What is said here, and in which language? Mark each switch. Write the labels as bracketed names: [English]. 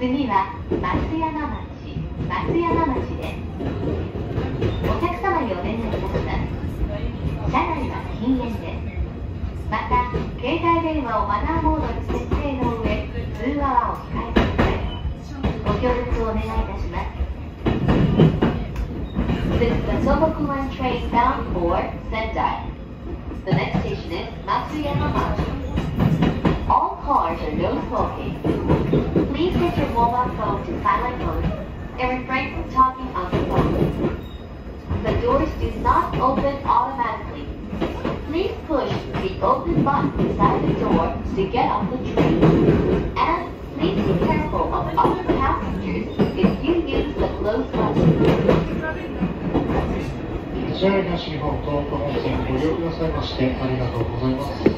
[Japanese] 次は松山町です。お客様にお願いいたします。車内は禁煙です。また携帯電話をマナーモードに設定の上通話はお控えください。ご協力をお願いいたします。 [English] This is the Tohoku Line train bound for Sendai. The next station is Matsuyama-machi. All cars are no smoking. Please get your mobile phone to silent mode and refrain from talking on the phone. The doors do not open automatically. Please push the open button beside the door to get off the train. And please be careful of other passengers if you use the closed button. [Japanese] JR 東日本東北本線ご利用くださいましてありがとうございます。